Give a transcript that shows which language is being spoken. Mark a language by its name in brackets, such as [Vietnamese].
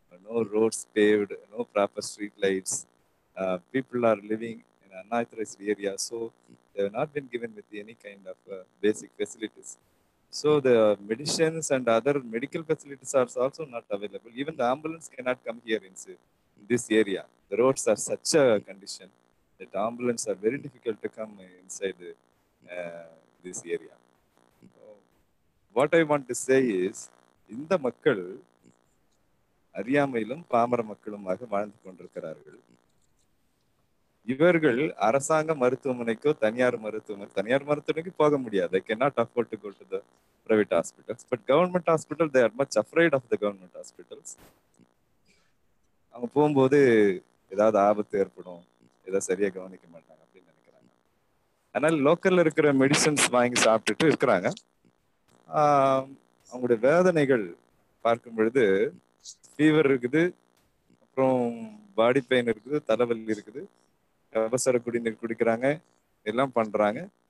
[English] No roads paved, no proper street lights. People are living in an unauthorized area, so they have not been given with any kind of basic facilities. So the medicines and other medical facilities are also not available. Even the ambulance cannot come here in this area. The roads are such a condition that ambulance are very difficult to come inside this area. So what I want to say is, in the makkal, [Tamil] அறியாமையிலும் பாமர மக்களுமாக வாழ்ந்து கொண்டிருக்கிறார்கள். இவர்கள் அரசாங்க மருத்துவமனைக்கோ தனியார் மருத்துவமனைக்கு போக முடியாது. [English] They cannot afford to go to the private hospitals. But government hospital, they are much afraid of the government hospitals. [Tamil] அவங்க போகும்போது ஏதாவது ஆபத்து ஏற்படும், ஏதாவது சரியா கவனிக்க மாட்டாங்க அப்படின்னு நினைக்கிறாங்க. ஆனால் லோக்கல்ல இருக்கிற மெடிசன்ஸ் வாங்கி சாப்பிட்டுட்டு இருக்கிறாங்க. அவங்களுடைய வேதனைகள் பார்க்கும் பொழுது ஃபீவர் இருக்குது, அப்புறம் பாடி பெயின் இருக்குது, தலைவலி இருக்குது, அவசர குடிநீர் குடிக்கிறாங்க, எல்லாம் பண்றாங்க.